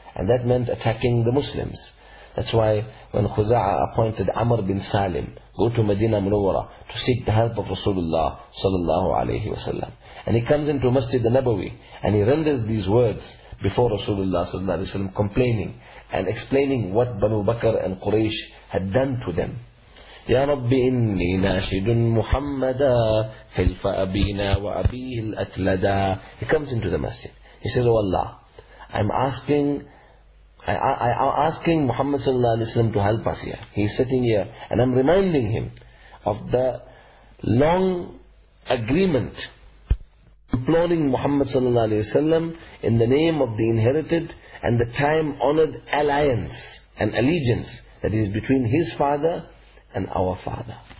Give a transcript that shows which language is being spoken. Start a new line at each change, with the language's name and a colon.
English: And that meant attacking the Muslims. That's why when Khuza'a appointed Amr bin Salim, go to Medina Munawwara to seek the help of Rasulullah sallallahu alayhi wa sallam. And he comes into Masjid al-Nabawi and he renders these words before Rasulullah sallallahu alayhi wa sallam, complaining and explaining what Banu Bakr and Quraysh had done to them.
Arabic: يا رب إني ناشد محمدا خلف أبينا وأبيه الأتلدا.
English: He comes into the masjid. He says, oh Allah, I'm asking Muhammad sallallahu alayhi wa sallam to help us here. He's sitting here and I'm reminding him of the long agreement, imploring Muhammad sallallahu alayhi wa sallam in the name of the inherited and the time honored alliance and allegiance that is between his father and our father.